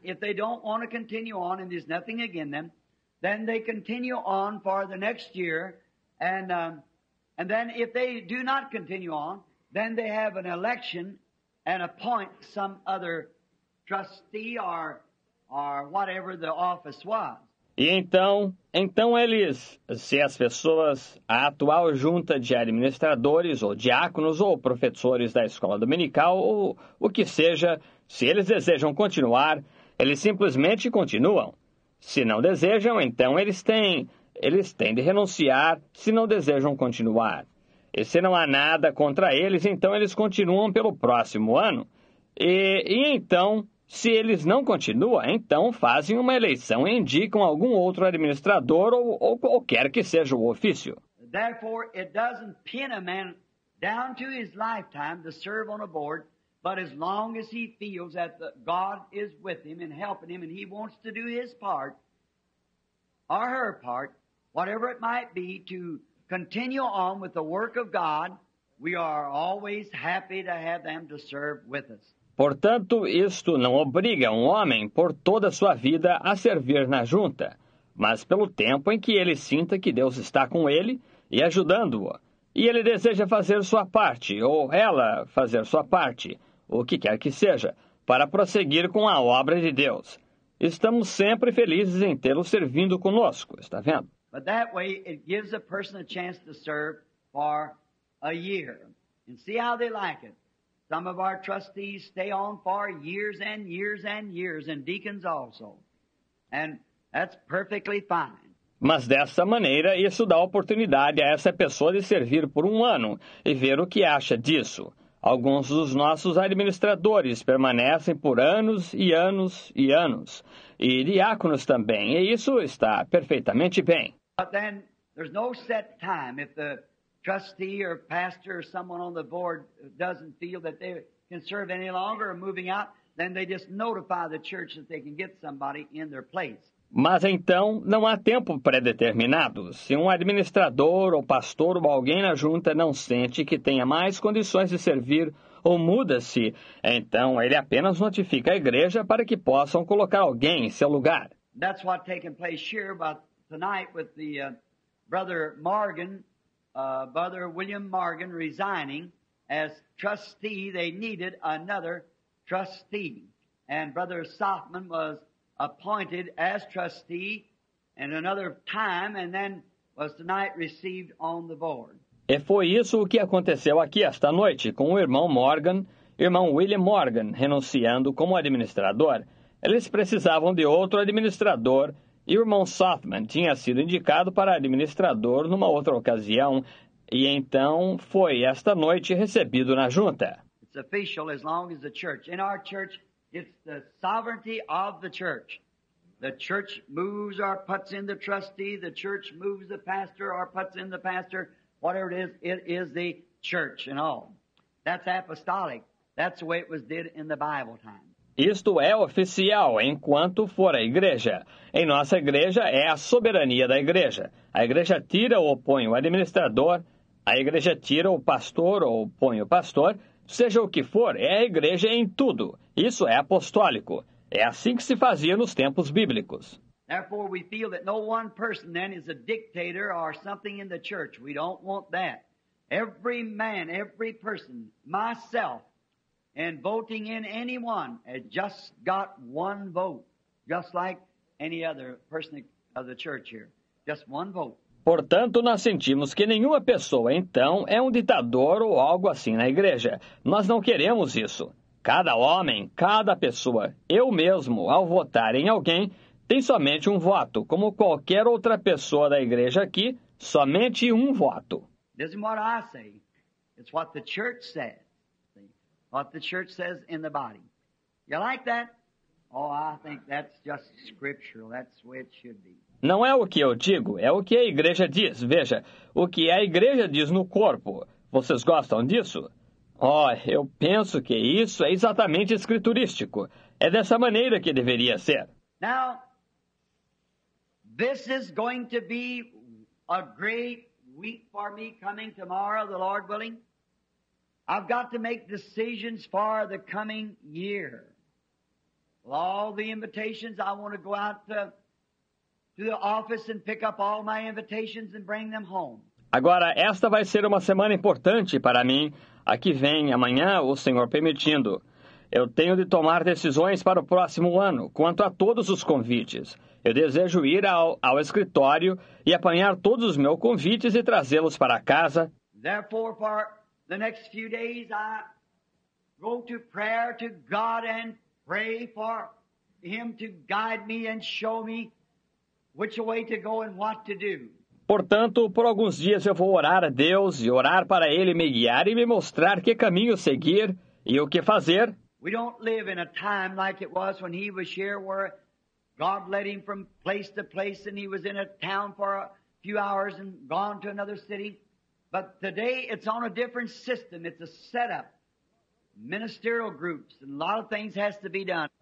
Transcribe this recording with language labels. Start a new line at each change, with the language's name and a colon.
English: If they don't want to continue on and there's nothing against them, then they continue on for the next year. And then if they do not continue on, then they have an election and appoint some other trustee or whatever the office was.
Portuguese: E então eles, se as pessoas, a atual junta de administradores ou diáconos ou professores da escola dominical ou o que seja, se eles desejam continuar, eles simplesmente continuam. Se não desejam, então eles têm de renunciar se não desejam continuar. E se não há nada contra eles, então eles continuam pelo próximo ano. E então... Se eles não continuam, então fazem uma eleição e indicam algum outro administrador ou qualquer que seja o ofício.
English: Therefore, it doesn't pin a man down to his lifetime to serve on a board, but as long as he feels that God is with him and helping him and he wants to do his part or her part, whatever it might be, to continue on with the work of God, we are always happy to have them to serve with us.
Portuguese: Portanto, isto não obriga um homem por toda a sua vida a servir na junta, mas pelo tempo em que ele sinta que Deus está com ele e ajudando-o, e ele deseja fazer sua parte, ou ela fazer sua parte, o que quer que seja, para prosseguir com a obra de Deus. Estamos sempre felizes em tê-lo servindo conosco, está vendo?
English: But that way it gives a person a chance to serve for a year. And see how they like it. Some of our trustees stay on for years and years and years, and deacons also. And that's perfectly fine.
Portuguese: Mas dessa maneira, isso dá oportunidade a essa pessoa de servir por um ano e ver o que acha disso. Alguns dos nossos administradores permanecem por anos e anos e anos. E diáconos também, e isso está perfeitamente bem.
English: But then, there's no set time if the trustee or pastor or someone on the board doesn't feel that they can serve any longer or moving out, then they just notify the church that they can get somebody in their place.
Portuguese: Mas então, não há tempo pré-determinado. Se um administrador ou pastor ou alguém na junta não sente que tenha mais condições de servir ou muda-se, então ele apenas notifica a igreja para que possam colocar alguém em seu lugar.
English: That's what taken place here about tonight with the brother Morgan, brother William Morgan resigning as trustee. They needed another trustee. And brother Softman was appointed as trustee and another time, and then was tonight received on the board.
Portuguese: E foi isso o que aconteceu aqui esta noite com o irmão Morgan, irmão William Morgan, renunciando como administrador. Eles precisavam de outro administrador, e o irmão Softman tinha sido indicado para administrador numa outra ocasião, e então foi esta noite recebido na junta.
English: It's official as long as the church. In our church, it's the sovereignty of the church. The church moves or puts in the trustee. The church moves the pastor or puts in the pastor. Whatever it is the church and all. That's apostolic. That's the way it was did in the Bible time.
Portuguese: Isto é oficial enquanto for a igreja. Em nossa igreja é a soberania da igreja. A igreja tira ou põe o administrador. A igreja tira o pastor ou põe o pastor. Seja o que for, é a igreja em tudo. Isso é apostólico. É assim que se fazia nos tempos bíblicos.
English: Therefore, we feel that no one person then is a dictator or something in the church. We don't want that. Every man, every person, myself, and voting in anyone, has just got one vote, just like any other person of the church here. Just one vote.
Portuguese: Portanto, nós sentimos que nenhuma pessoa, então, é um ditador ou algo assim na igreja. Nós não queremos isso. Cada homem, cada pessoa, eu mesmo, ao votar em alguém, tem somente um voto, como qualquer outra pessoa da igreja aqui, somente um voto. Não é o que eu digo, é o que a igreja diz. O que a igreja diz no corpo. Você gosta disso? Eu acho que isso é
English: just scriptural,
Portuguese: é o que deveria ser. Não é o que eu digo, é o que a igreja diz. Veja, o que a igreja diz no corpo. Vocês gostam disso? Oh, eu penso que isso é exatamente escriturístico. É dessa maneira que deveria ser.
English: Now, this is going to be a great week for me coming tomorrow, the Lord willing. I've got to make decisions for the coming year. With all the invitations, I want to go out to the office and pick up all my invitations and bring them home.
Portuguese: Agora, esta vai ser uma semana importante para mim. A que vem amanhã, o Senhor permitindo. Eu tenho de tomar decisões para o próximo ano, quanto a todos os convites. Eu desejo ir ao escritório e apanhar todos os meus convites e trazê-los para casa.
English: Therefore, for the next few days, I go to prayer to God and pray for Him to guide me and show me which way to go and what to do.
Portuguese: Portanto, por alguns dias eu vou orar a Deus e orar para Ele me guiar e me mostrar que caminho seguir e o que fazer.
English: We don't live in a time like it was when he was here, where God led him from place to place and he was in a town for a few hours and gone to another city. But today it's on a different system. It's a setup. Ministerial groups and a lot of things has to be done.